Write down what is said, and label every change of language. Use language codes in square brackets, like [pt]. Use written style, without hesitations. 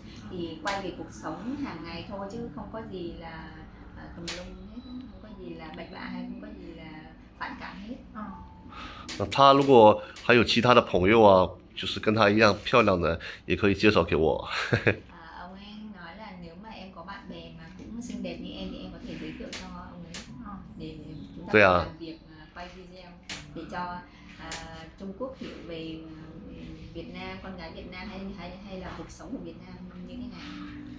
[vi] thì quay về cuộc sống hàng ngày thôi chứ không có gì là tùm lum hết, không có gì là bậy bạ hay không có gì là phản cảm hết. [zh] 那他如果还有其他的朋友啊，就是跟他一样漂亮的，也可以介绍给我。 [vi] Ông em nói là nếu mà em có bạn bè mà cũng xinh đẹp như em thì em có thể giới thiệu cho ông ấy để chúng ta [zh] 对 [vi] cùng 啊。 làm việc quay video để cho Trung Quốc hiểu về Việt Nam, con gái Việt Nam hay là cuộc sống của Việt Nam như thế nào?